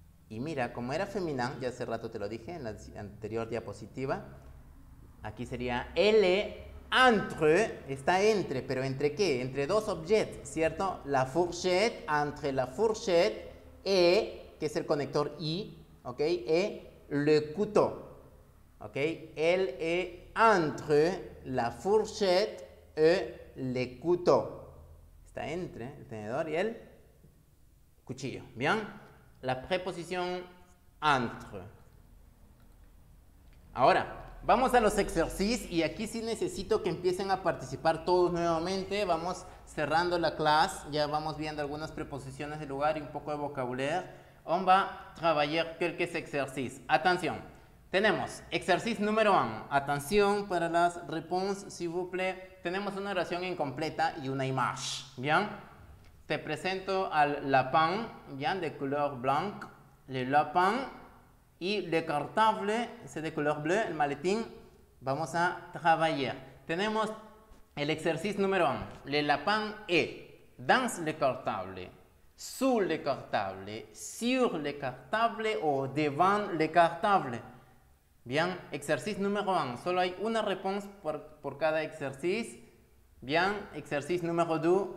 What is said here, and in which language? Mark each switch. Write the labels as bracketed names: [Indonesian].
[Spanish] Y mira, como era féminin, ya hace rato te lo dije en la anterior diapositiva, aquí sería, [French] elle est entre, [Spanish] está entre, pero ¿entre qué? Entre dos objets, ¿cierto? [French] La fourchette, entre la fourchette, et, [Spanish] que es el conector I, ¿ok? [French] Et le couteau, ¿ok? Elle est entre la fourchette et le couteau. [Spanish] Está entre el tenedor y el cuchillo. Bien. La preposición entre. Ahora, vamos a los ejercicios y aquí sí necesito que empiecen a participar todos nuevamente. Vamos cerrando la clase, ya vamos viendo algunas preposiciones de lugar y un poco de vocabulario. [French] On va [Spanish] trabajar quelques ejercicios. Atención, tenemos ejercicio número 1. Atención para las réponses, [French] s'il vous plaît. [Spanish] Tenemos una oración incompleta y una image. Bien. Te presento al lapin, bien, de color blanc. Le lapin. Y le cartable, [French] c'est [Spanish] de color bleu, el maletín. Vamos a trabajar. Tenemos el ejercicio número 1. [French] Le lapin est dans le cartable, sous le cartable, sur le cartable o devant le cartable. [Spanish] Bien, ejercicio número 1. Solo hay una respuesta por cada ejercicio. Bien, ejercicio número 2.